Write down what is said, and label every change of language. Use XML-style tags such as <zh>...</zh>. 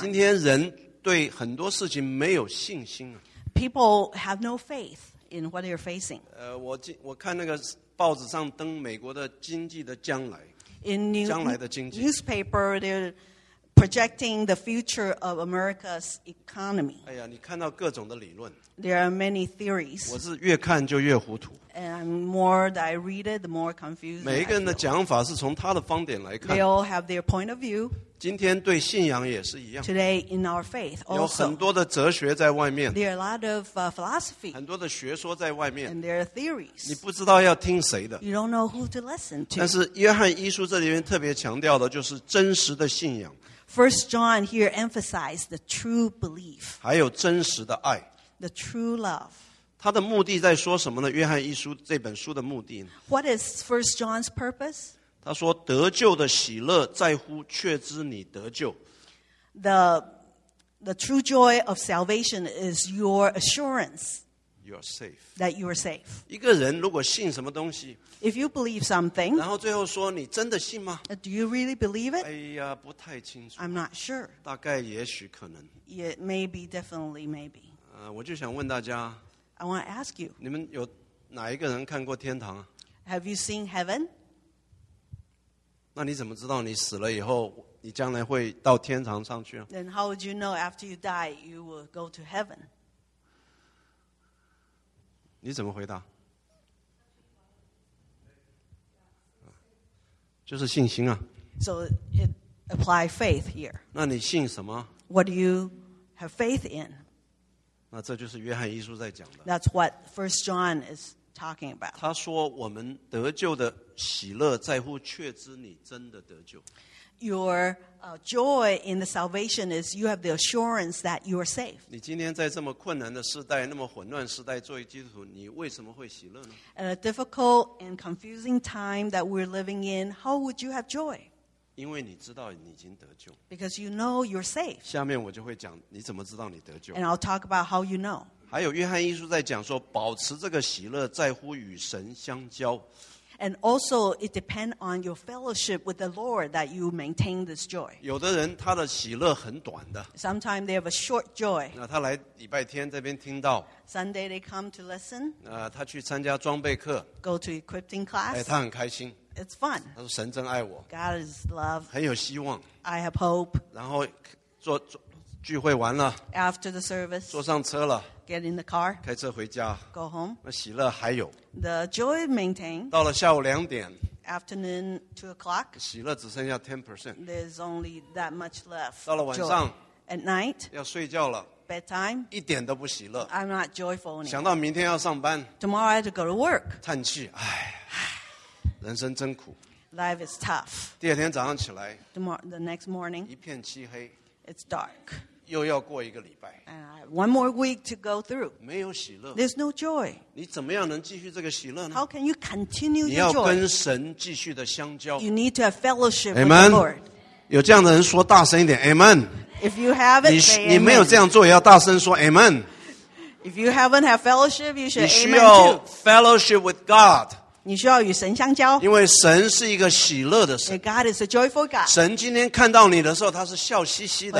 <zh>今天人对很多事情没有信心啊。</zh> <en>People have no faith in what they're facing.</en> <zh>我看那个报纸上登美国的经济的将来。</zh> <en>In new,</en> <zh>将来的经济。</zh> <en>Newspaper, they're projecting the future of America's economy.</en> <zh>哎呀，你看到各种的理论。</zh> <en>There are many theories.</en> <zh>我是越看就越糊涂。</zh> <en>And more that I read it, the more confused.</en> <zh>每一个人的讲法是从他的方点来看。</zh> <en>They all have their point of view.</en> <zh>今天对信仰也是一样。</zh> <en>Today in our faith, also,</en> <zh>有很多的哲学在外面。</zh> <en>There are a lot of philosophy.</en> <zh>很多的学说在外面。</zh> <en>And there are theories.</en> <zh>你不知道要听谁的。</zh> <en>You don't know who to listen to.</en> <zh>但是约翰一书这里面特别强调的就是真实的信仰。</zh> <en>First John here emphasized the true belief.</en> <zh>还有真实的爱。</zh> <en>The true love.</en> <zh>他的目的在说什么呢？约翰一书这本书的目的呢？</zh> <en>What is First John's purpose?</en> <zh>他说得救的喜乐在乎确知你得救。</zh> <en>The true joy of salvation is your assurance. You're safe. That you're safe.</en> <zh>一个人如果信什么东西。</zh> <en>If you believe something.</en> <zh>然后最后说你真的信吗</zh> <en>?Do you really believe it?</en> <zh>哎呀不太清楚。</zh> <en>I'm not sure.</en> <zh>大概也许可能。</zh> <en>It may be, definitely maybe.</en> <zh>我就想问大家。</zh> <en>I want to ask you.</en> <zh>你们有哪一个人看过天堂</zh> <en>?Have you seen heaven?</en> <zh>那你怎么知道你死了以后，你将来会到天堂上去啊</zh> <en>？Then how would you know after you die you will go to heaven？</en> <zh>你怎么回答？就是信心啊。</zh> <en>So it apply faith here。</en> <zh>那你信什么</zh> <en>？What do you have faith in？</en> <zh>那这就是约翰一书在讲的。</zh> <en>That's what First John is talking about。</en> <zh>他说我们得救的。喜乐在乎确知你真的得救。</zh> <en>Your joy in the salvation is you have the assurance that you are safe.</en> <zh>你今天在这么困难的时代，那么混乱时代，作为基督徒，你为什么会喜乐呢</zh> <en>？At a difficult and confusing time that we're living in, how would you have joy?</en> <zh>因为你知道你已经得救。</zh> <en>Because you know you're safe.</en> <zh>下面我就会讲你怎么知道你得救。</zh> <en>And I'll talk about how you know.</en> <zh>还有约翰一书在讲说，保持这个喜乐在乎与神相交。</zh> <en>And also, it depends on your fellowship with the Lord that you maintain this joy.</en> <zh>有的人他的喜乐很短的。</zh> <en>Sometimes they have a short joy.</en> <zh>那他来礼拜天这边听到。</zh> <en>Sunday they come to listen.</en> <zh>他去参加装备课。</zh> <en>Go to equipping class.</en> <zh>哎，他很开心。</zh> <en>It's fun.</en> <zh>他说神真爱我。</zh> <en>God is love.</en> <zh>很有希望。</zh> <en>I have hope.</en> <zh>然后做聚会完了。</zh> <en>After the service.</en> <zh>坐上车了。</zh> <en>Get in the car.</en> <zh>开车回家。</zh> <en>Go home.</en> <zh>那喜乐还有。</zh> <en>The joy maintained.</en> <zh>到了下午两点。</zh> <en>Afternoon 2 o'clock.</en> <zh>喜乐只剩下 10%.</zh> <en>There's only that much left.</en> <zh>到了晚上。</zh> <en>At night.</en> <zh>要睡觉了。</zh> <en>Bedtime.</en> <zh>一点都不喜乐。</zh> <en>I'm not joyful anymore.</en> <zh>想到明天要上班。</zh> <en>Tomorrow I have to go to work.</en> <zh>叹气，唉，人生真苦。</zh> <en>Life is tough.</en> <zh>第二天早上起来。</zh> <en>The next morning.</en> <zh>一片漆黑。</zh> <en>It's dark.</en> <zh>又要过一个礼拜。</zh> <en>One more week to go through.</en> <zh>没有喜乐。</zh> <en>There's no joy.</en> <zh>你怎么样能继续这个喜乐呢</zh> <en>？How can you continue your joy?</en> <zh>你要跟神继续的相交。</zh> <en>You need to have fellowship Amen. with the Lord.</en> <zh>有这样的人说大声一点 ，Amen.</zh> <en>If you haven't,</en> <zh>你没有这样做也要大声说 ，Amen.</zh> <en>If you haven't had fellowship, you should.</en> <zh>你需要</zh> <en>fellowship with God.</en> <zh>你需要与神相交。因为神是一个喜乐的神。</zh> <en>And God is a joyful God.</en> <zh>神今天看到你的时候，他是笑嘻嘻的。</zh>